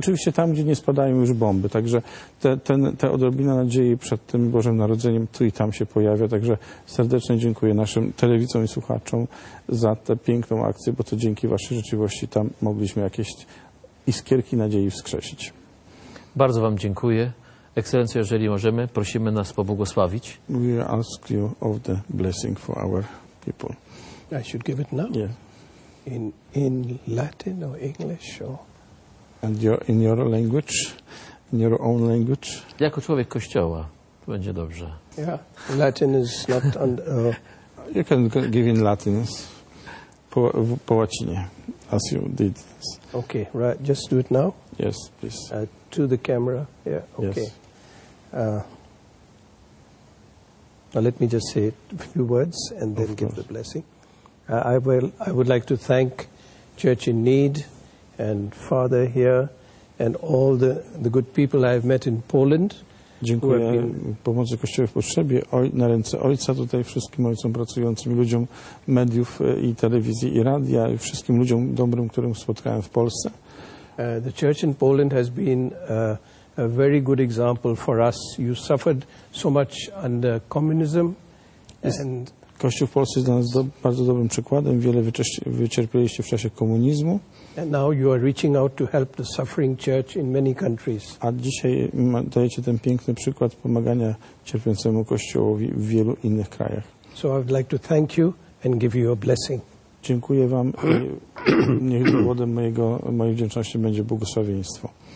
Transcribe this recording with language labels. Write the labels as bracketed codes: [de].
[pl] Oczywiście tam, gdzie nie spadają już bomby, także te odrobina nadziei przed tym Bożym Narodzeniem tu i tam się pojawia, także serdecznie dziękuję naszym telewidzom i słuchaczom za tę piękną akcję, bo to dzięki waszej życzliwości tam mogliśmy jakieś iskierki nadziei wskrzesić. Bardzo wam dziękuję. Ekscelencjo, jeżeli możemy, prosimy nas pobłogosławić. [en] We ask you of the blessing for our people. I should give it now? Yeah. In Latin or English? Or... And in your language? In your own language? [pl] Jako człowiek Kościoła. Będzie dobrze. [en] Yeah, Latin is not on. You can give in Latin, [pl] po łacinie, [en] as you did. Okay, right. Just do it now. Yes, please. To the camera. Yeah. Okay. Yes. Now let me just say a few words and then give the blessing. I would like to thank Church in Need and Father here and all the good people I've met in Poland. [pl] Dziękuję pomocy Kościoła w potrzebie na ręce Ojca, tutaj wszystkim Ojcom pracującym, ludziom mediów i telewizji i radia, i wszystkim ludziom dobrym, którym spotkałem w Polsce. [en] The church in Poland has been a very good example for us. You suffered so much under communism. And [pl] Kościół w Polsce jest dla nas bardzo dobrym przykładem. Wiele wycierpieliście w czasie komunizmu. [en] And now you are reaching out to help the suffering church in many countries. [pl] A dzisiaj dajecie ten piękny przykład pomagania cierpiącemu kościołowi w wielu innych krajach. [en] So I would like to thank you and give you a blessing. [pl] Dziękuję wam i niech powodem mojej wdzięczności będzie błogosławieństwo.